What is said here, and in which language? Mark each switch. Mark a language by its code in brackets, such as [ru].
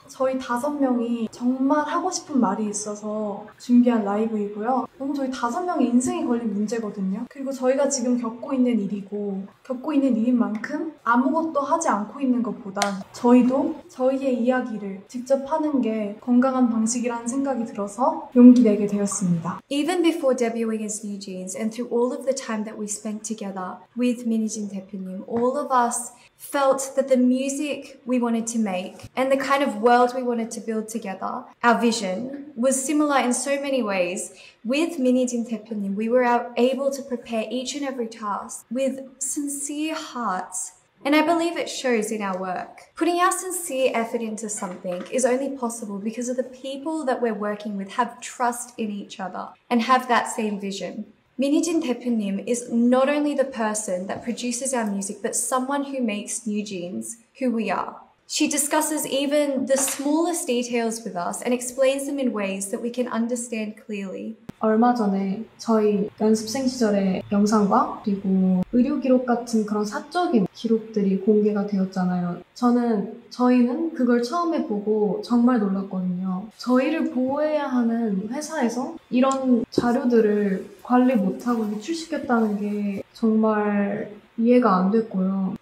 [ko] 저희 다섯 명이 정말 하고 싶은 말이 있어서 준비한 라이브이고요. 너무 저희 다섯 명의 인생이 걸린 문제거든요. 그리고 저희가 지금 겪고 있는 일이고 겪고 있는 일인 만큼 아무것도 하지 않고 있는 것보단 저희도 저희의 이야기를 직접 하는 게 건강한 방식이라는 생각이 들어서 용기 내게 되었습니다. [en] Even before debuting as New Jeans and through all of the time that we spent together with Minijin 대표님, all of us felt that the music we wanted to make and the kind of world we wanted to build together, our vision, was similar in so many ways. With Minijin 대표님, we were able to prepare each and every task with sincere hearts. And I believe it shows in our work. Putting our sincere effort into something is only possible because of the people that we're working with have trust in each other and have that same vision. Minijin 대표님 is not only the person that produces our music, but someone who makes New Jeans who we are. She discusses even the smallest details with us and explains them in ways that we can understand clearly. [ko] 얼마 전에 저희 연습생 시절의 영상과 그리고 의료 기록 같은 그런 사적인 기록들이 공개가 되었잖아요. 저희는 그걸 처음에 보고 정말 놀랐거든요. 저희를 보호해야 하는 회사에서 이런 자료들을 관리 못하고 유출시켰다는 게 정말 이해가 안 됐고요.